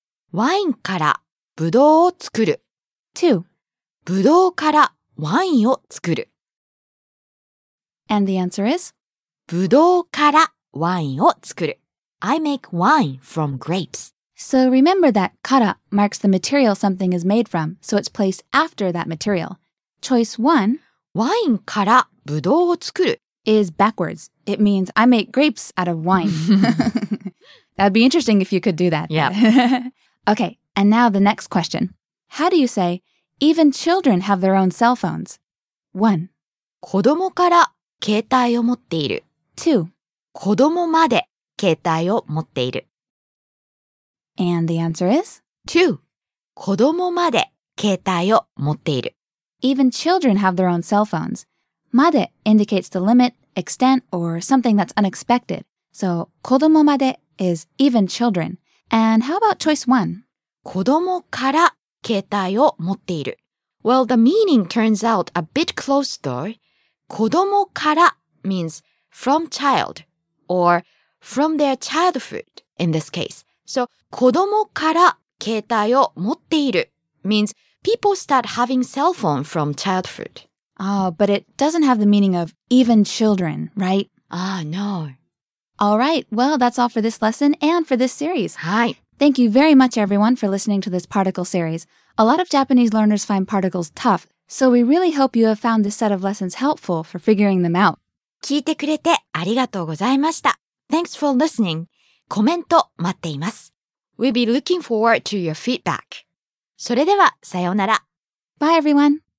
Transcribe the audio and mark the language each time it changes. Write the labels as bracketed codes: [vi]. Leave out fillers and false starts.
[ja] ワインからブドウを作る。 [en] 2. [ja] ブドウからワインを作る。 [en] And the answer is? [ja] ブドウからワインを作る。 [en] I make wine from grapes. So remember that から marks the material something is made from, so it's placed after that material. Choice 1. [ja] ワインからブドウを作る。 [en] Is backwards. It means I make grapes out of wine. That'd be interesting if you could do that. Yeah. Okay, and now the next question. How do you say, even children have their own cell phones? 1. [ja] 子供から携帯を持っている。 [en] 2. [ja] 子供まで携帯を持っている。 [en] And the answer is? 2. [ja] 子供まで携帯を持っている。 [en] Even children have their own cell phones. まで indicates the limit, extent, or something that's unexpected. So, [ja] 子供まで [en] is even children. And how about choice one? [ja] 子供から携帯を持っている。 [en] Well, the meaning turns out a bit close though. [ja] 子供から [en] means from child or from their childhood in this case. So, [ja] 子供から携帯を持っている [en] means people start having cell phone from childhood. Oh, but it doesn't have the meaning of even children, right? Ah, no. All right. Well, that's all for this lesson and for this series. Hi. Thank you very much, everyone, for listening to this particle series. A lot of Japanese learners find particles tough, so we really hope you have found this set of lessons helpful for figuring them out. [ja] 聞いてくれてありがとうございました。 [en] Thanks for listening. [ja] コメント待っています。 [en] We'll be looking forward to your feedback. [ja] それでは、さようなら。 [en] Bye, everyone.